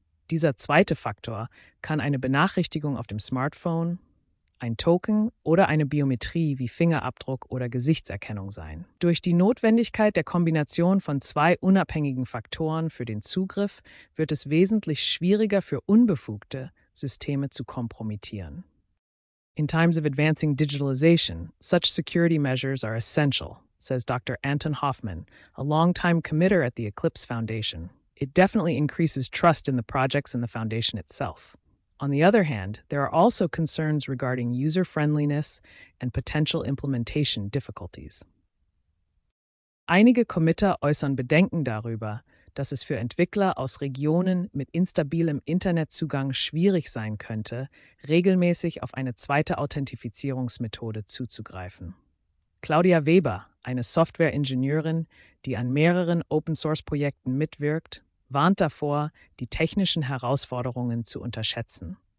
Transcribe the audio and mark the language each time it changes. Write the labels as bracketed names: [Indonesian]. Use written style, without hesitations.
[German] Dieser zweite Faktor kann eine Benachrichtigung auf dem Smartphone, ein Token oder eine Biometrie wie Fingerabdruck oder Gesichtserkennung sein. Durch die Notwendigkeit der Kombination von zwei unabhängigen Faktoren für den Zugriff wird es wesentlich schwieriger für unbefugte Systeme zu kompromittieren. [English] In times of advancing digitalization, such security measures are essential, says Dr. Anton Hoffman, a longtime committer at the Eclipse Foundation. It definitely increases trust in the projects and the foundation itself. On the other hand, there are also concerns regarding user-friendliness and potential implementation difficulties. [German] Einige Committer äußern Bedenken darüber, dass es für Entwickler aus Regionen mit instabilem Internetzugang schwierig sein könnte, regelmäßig auf eine zweite Authentifizierungsmethode zuzugreifen. Claudia Weber, eine Software-Ingenieurin, die an mehreren Open-Source-Projekten mitwirkt, warnt davor, die technischen Herausforderungen zu unterschätzen.